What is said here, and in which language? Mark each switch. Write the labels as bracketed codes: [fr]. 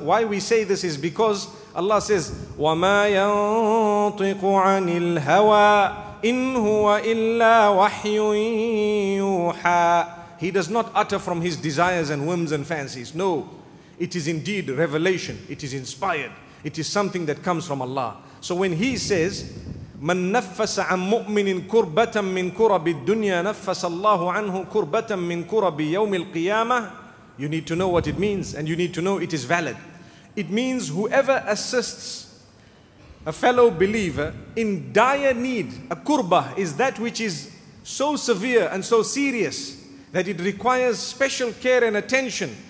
[en] Why we say this is because Allah says, [ar] وَمَا يَنطِقُ عَنِ الْهَوَىٰ إِنْ هُوَ إِلَّا وَحْيٌ يُوحَىٰ. [en] He does not utter from his desires and whims and fancies. No, it is indeed revelation. It is inspired. It is something that comes from Allah. So when he says, [ar] مَن نَفَّسَ عَن مُؤْمِنٍ كُرْبَةً مِّن كُرَبِ الدُّنْيَا نَفَّسَ اللَّهُ عَنْهُ كُرْبَةً مِّن كُرَبِ يَوْمِ الْقِيَامَةِ. [en] You need to know what it means, and you need to know it is valid. It means whoever assists a fellow believer in dire need, a kurbah is that which is so severe and so serious that it requires special care and attention.